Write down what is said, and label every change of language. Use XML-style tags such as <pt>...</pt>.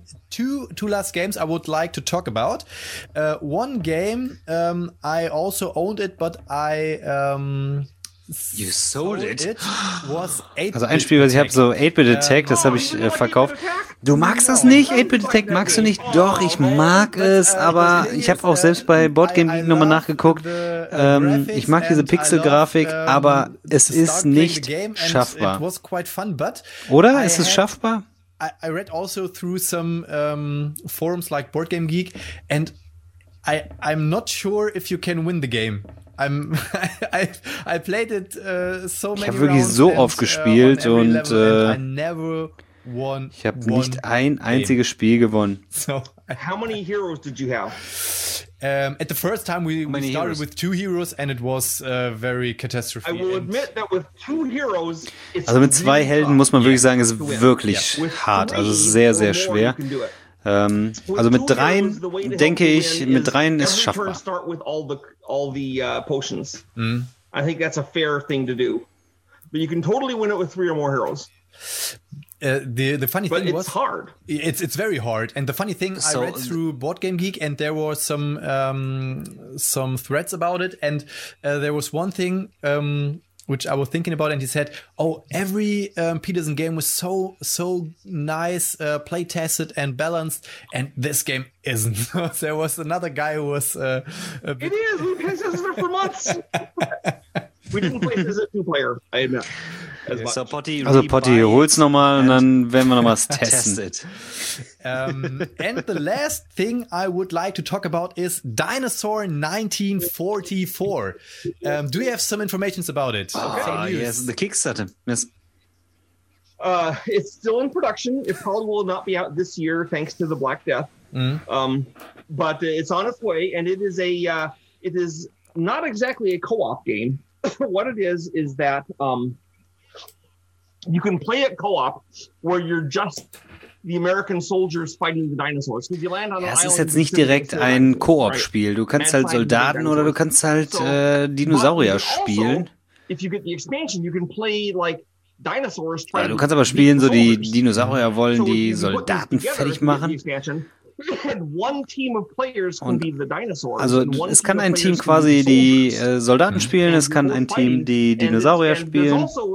<en>Two last games I would like to talk about. One game, I also owned it, but I You sold it.</en> <de>Also ein Spiel, was ich habe, so 8-Bit Attack, das habe ich verkauft. Du magst das nicht? 8-Bit Attack magst du nicht? Doch, ich mag es, aber ich habe auch selbst bei Board Game Geek nochmal nachgeguckt. Ich mag diese Pixel-Grafik, aber es ist nicht schaffbar. Oder? Ist es schaffbar?</de> <en>I read also through some forums like Board Game Geek and I'm not sure if you can win the game. I played it so many.</en> <de>Ich habe wirklich so oft gespielt und ich habe nicht ein einziges Spiel gewonnen.</de> <en>So, how many heroes did you have? At the first time we started heroes? With two heroes and it was very catastrophic. I will admit that with two heroes, it's</en> <de>also mit zwei really Helden hard. Muss man wirklich sagen, ist wirklich hart, also sehr sehr schwer. Also mit dreien, denke ich, mit dreien ist schaffbar.</de> <en>Start with all the potions. I think that's a fair thing to do. But you can totally win it with three or more heroes. The funny thing was... But it's hard. It's very hard. And the funny thing, so, I read through Board Game Geek and there were some threads about it. And there was one thing... which I was thinking about, and he said, oh, every Peterson game was so nice, play-tested and balanced, and this game isn't. There was another guy who was... it is! We play-tested for months! We didn't play-tested as a two-player, I admit. So Potty,</en> <de>also Potty, hol's nochmal und dann werden wir nochmal testen.</de> <en>and the last thing I would like to talk about is Dinosaur 1944. Do you have some information about it? Okay. Yes, the Kickstarter. Yes. It's still in production. It probably will not be out this year, thanks to the Black Death. Mm-hmm. But it's on its way, and it is not exactly a co-op game. What it is that you can play it co-op where you're just the American soldiers fighting the dinosaurs. Because you land on an island.</en> <de>Ist jetzt nicht direkt ein Koop-Spiel. Du kannst halt Soldaten oder du kannst halt Dinosaurier spielen.</de> <en>Also, if you get the expansion, you can play like dinosaurs.</en> <de>Ja, du kannst aber spielen, so die Dinosaurier wollen die Soldaten fertig machen. Und also es kann ein Team quasi die Soldaten spielen, es kann ein Team die Dinosaurier spielen.</de>